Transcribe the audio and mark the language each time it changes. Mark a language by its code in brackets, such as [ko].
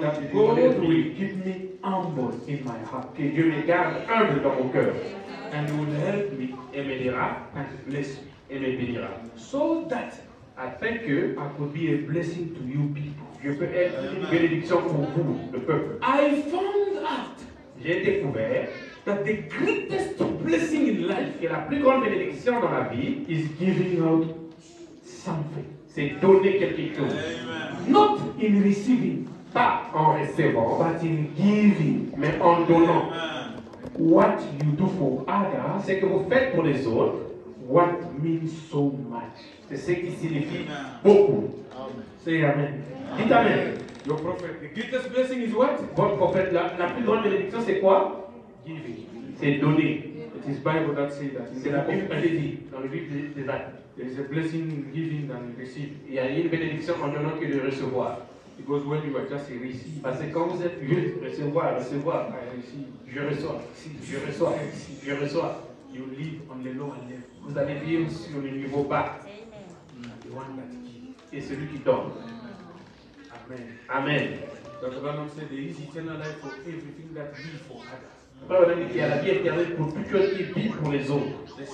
[en] that God will keep me humble in my heart. [fr] Que Dieu me garde humble dans mon cœur. [en] And will help me. [fr] Et m'aidera. [en] And bless me. [fr] Et me bénira. [en] So that [fr] afin que [en] I could be a blessing to you people. [fr] Je peux être une bénédiction pour vous, le peuple. [en] I found out. [fr] J'ai découvert [en] that the greatest blessing in life. [fr] Que la plus grande bénédiction dans la vie [en] is giving out something. [fr] C'est donner quelque chose. [en] Amen. Not in receiving, [fr] pas en recevant, [en] but in giving, [fr] mais en donnant. Amen. [en] What you do for others, [fr] ce que vous faites pour les autres, [en] what means so much, [fr] c'est ce qui signifie [en] amen. [fr] Beaucoup. [en] Say amen. [fr] Dites amen. [en] Your prophet, the greatest blessing is what? [fr] Votre prophète, la plus grande bénédiction, c'est quoi? [en] Giving. [fr] C'est donner. [en] It is Bible that says that. [fr] C'est la Bible qui dit dans le livre des Actes. [en] There is a blessing in giving than receiving. [fr] Il y a une bénédiction en donnant que de recevoir. [en] Because when you are just receiving. [fr] Parce que quand vous êtes juste recevoir. Je reçois. [en] You live on the lower level. [fr] Vous allez vivre sur le niveau bas. [en] The one that gives. [fr] Et celui qui donne. [en] Amen. [fr] Amen. [en] Dr. Branham said there is eternal life for everything that we for others. [fr] Il y a la vie éternelle pour tout ce qui vit pour les autres.